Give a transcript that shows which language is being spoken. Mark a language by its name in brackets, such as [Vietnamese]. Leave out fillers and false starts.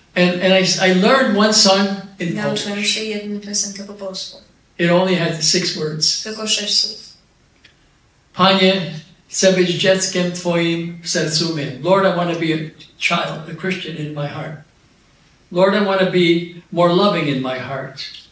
[English] And I learned one song in Polish. [Polish] Nauczyłem się jedną piosenkę po polsku. [English] It only had six words. [Polish] Tylko sześć słów. Panie, chcę być dzieckiem Twoim w sercu mnie. [English] Lord, I want to be a child, a Christian in my heart. Lord, I want to be more loving in my heart.